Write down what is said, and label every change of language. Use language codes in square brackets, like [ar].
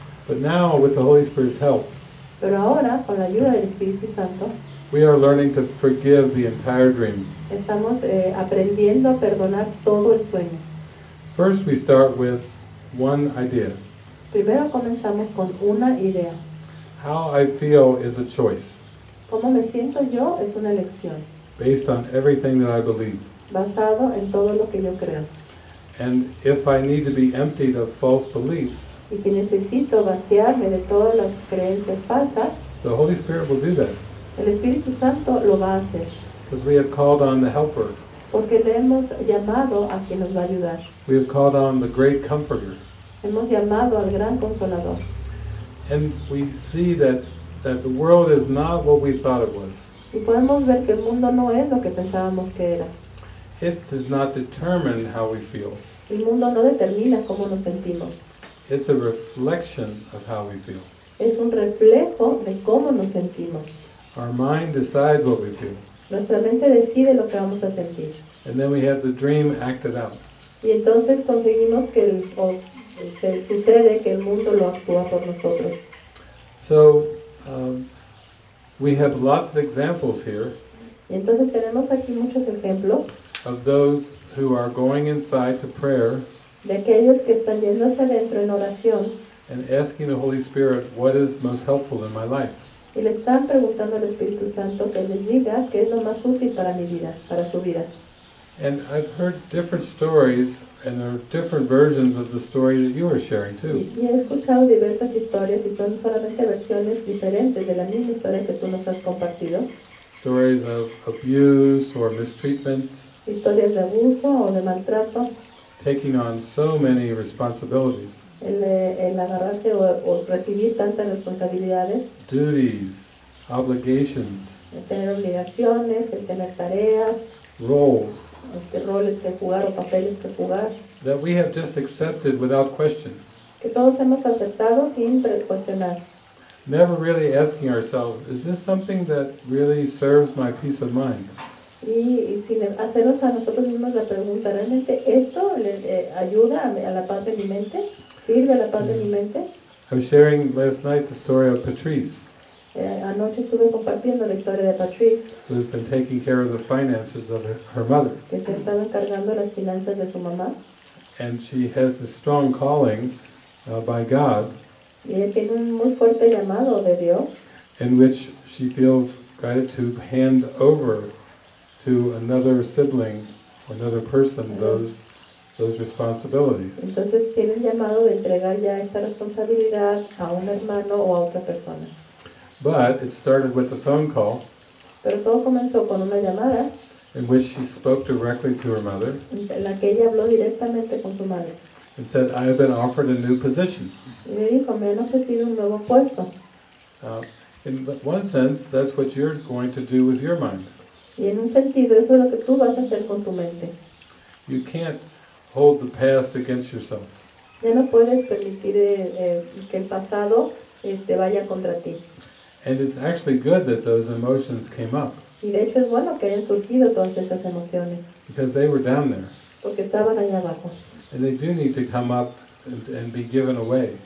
[en] But now, with the Holy Spirit's help, [es] pero ahora, con la ayuda del Espíritu Santo, [en] we are learning to forgive the entire dream. [es] Estamos aprendiendo a perdonar todo el sueño. [en] First, we start with one idea. [es] Primero comenzamos con una idea. [en] How I feel is a choice. [es] Cómo me siento yo es una elección. [en] Based on everything that I believe. [es] Basado en todo lo que yo creo. [en] And if I need to be emptied of false beliefs, [es] y si necesito vaciarme de todas las creencias falsas, [en] the Holy Spirit will do that. [es] El Espíritu Santo lo va a hacer. [en] Because we have called on the Helper. [es] Porque le hemos llamado a quien nos va a ayudar. [en] We have called on the Great Comforter. [es] Hemos llamado al Gran Consolador. [en] And we see that the world is not what we thought it was. [es] Y podemos ver que el mundo no es lo que pensábamos que era. [en] It does not determine how we feel. [es] El mundo no determina cómo nos sentimos. [en] It's a reflection of how we feel. [es] Es un reflejo de cómo nos sentimos. [en] Our mind decides what we feel. [es] Nuestra mente decide lo que vamos a sentir. [en] And then we have the dream acted out. [es] Y entonces conseguimos que se sucede que el mundo lo actúa por nosotros. [en] So, we have lots of examples here. [es] Y entonces tenemos aquí muchos ejemplos. [en] Of those who are going inside to prayer. [es] De aquellos que están yéndose adentro en oración. [en] And asking the Holy Spirit, what is most helpful in my life? [es] Y le están preguntando al Espíritu Santo que les diga qué es lo más útil para mi vida, para su vida. [en] And I've heard different stories, and there are different versions of the story that you are sharing too. [es] Y he escuchado diversas historias, y son solamente versiones diferentes de la misma historia que tú nos has compartido. [en] Stories of abuse or mistreatment. [es] Historias de abuso o de maltrato. [en] Taking on so many responsibilities. [es] El agarrarse o recibir tantas responsabilidades. [en] Duties, obligations. [es] El tener obligaciones, el tener tareas. [en] Roles. [es] Este roles que jugar o papeles que jugar. [en] That we have just accepted without question. [es] Que todos hemos aceptado sin cuestionar. [en] Never really asking ourselves, is this something that really serves my peace of mind? [es] Y sin hacernos a nosotros mismos la pregunta, ¿realmente esto les ayuda a la paz de mi mente? ¿Sirve a la paz de mi mente? [en] I was sharing last night the story of Patrice. [es] Anoche estuve compartiendo la historia de Patrice. [en] Who's been taking care of the finances of her mother. [es] Que se estaba encargando las finanzas de su mamá. [en] And she has this strong calling by God. [es] Y ella tiene un muy fuerte llamado de Dios. [en] In which she feels guided to hand over to another sibling or another person those responsibilities. [es] Entonces tiene el llamado de entregar ya esta responsabilidad a un hermano o a otra persona. [en] But it started with a phone call. [es] Pero todo comenzó con una llamada. [en] In which she spoke directly to her mother. [es] En la que ella habló directamente con su madre. [en] And said, I have been offered a new position. [es] Y dijo, me han ofrecido un nuevo puesto. [en] In one sense, that's what you're going to do with your mind. [es] Y en un sentido, eso es lo que tú vas a hacer con tu mente. [en] You can't hold the past against yourself. [es] Ya no puedes permitir que el pasado vaya contra ti. [en] And it's actually good that those emotions came up. [es] Y de hecho es bueno que hayan surgido todas esas emociones. [en] Because they were down there. [es] Porque estaban allá abajo. [en] And they do need to come up and be given away.